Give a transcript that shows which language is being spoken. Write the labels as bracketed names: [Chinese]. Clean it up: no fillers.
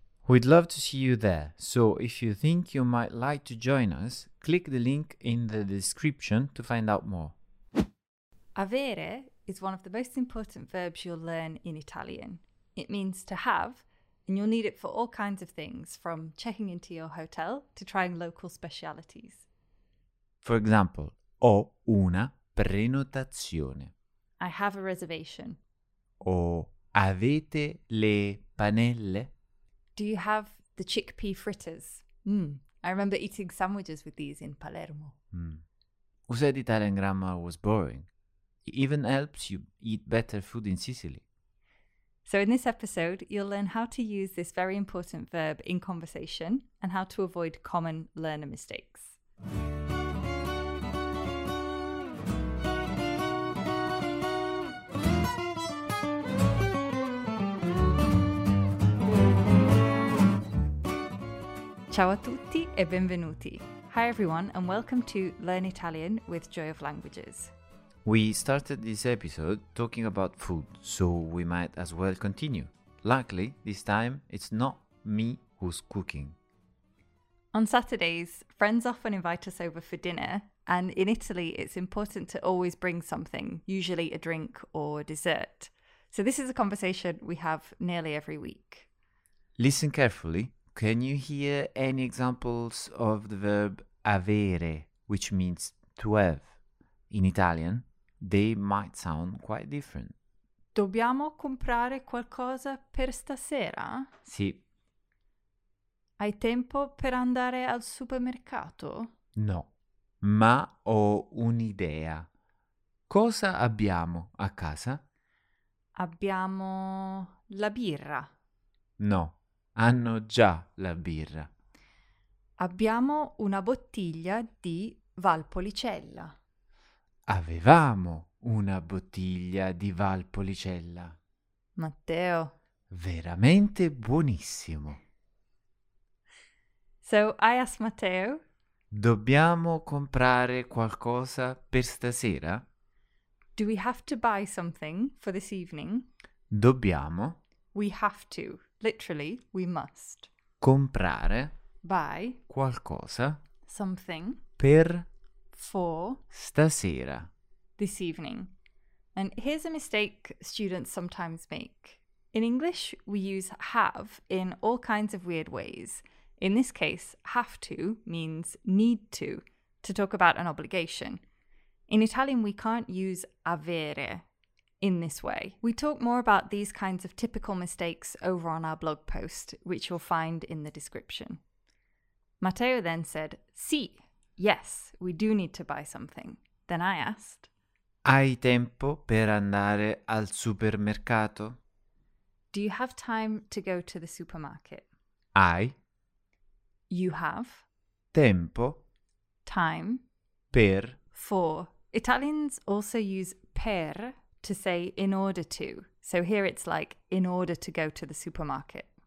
[English] We'd love to see you there. So if you think you might like to join us, click the link in the description to find out more. Avere is one of the most important verbs you'll learn in Italian. It means to have, and you'll need it for all kinds of things, from checking into your hotel to trying local specialities. For example, [Italian] ho una prenotazione. [English] I have a reservation. [Italian] O avete le panelle? [English] Do you have the chickpea fritters? I remember eating sandwiches with these in Palermo. Who said Italian grammar was boring? It even helps you eat better food in Sicily. So in this episode, you'll learn how to use this very important verb in conversation and how to avoid common learner mistakes. [Italian] Ciao a tutti e benvenuti. [English] Hi everyone and welcome to Learn Italian with Joy of Languages. We started this episode talking about food, so we might as well continue. Luckily, this time it's not me who's cooking. On Saturdays, friends often invite us over for dinner, and in Italy it's important to always bring something, usually a drink or dessert. So this is a conversation we have nearly every week. Listen carefully. Can you hear any examples of the verb avere, which means to have? In Italian, they might sound quite different. [Italian] Dobbiamo comprare qualcosa per stasera? Sì. Hai tempo per andare al supermercato? No, ma ho un'idea. Cosa abbiamo a casa? Abbiamo la birra. No. Hanno già la birra. Abbiamo una bottiglia di Valpolicella. Avevamo una bottiglia di Valpolicella. Matteo. Veramente buonissimo. [English] So I asked Matteo. [Italian] Dobbiamo comprare qualcosa per stasera? [English] Do we have to buy something for this evening? [Italian] Dobbiamo. [English] We have to. Literally, we must. [Italian] Comprare. [English] Buy. [Italian] Qualcosa. [English] Something. [Italian] Per. [English] For. [Italian] Stasera. [English] This evening. And here's a mistake students sometimes make. In English, we use have in all kinds of weird ways. In this case, have to means need to talk about an obligation. In Italian, we can't use avere. In this way. We talk more about these kinds of typical mistakes over on our blog post, which you'll find in the description. Matteo then said, sì, yes, we do need to buy something. Then I asked, [Italian] hai tempo per andare al supermercato? [English] Do you have time to go to the supermarket? [Italian] Hai. [English] You have. [Italian] Tempo. [English] Time. [Italian] Per. [English] For. Italians also use per to say in order to. So here it's like in order to go to the supermarket.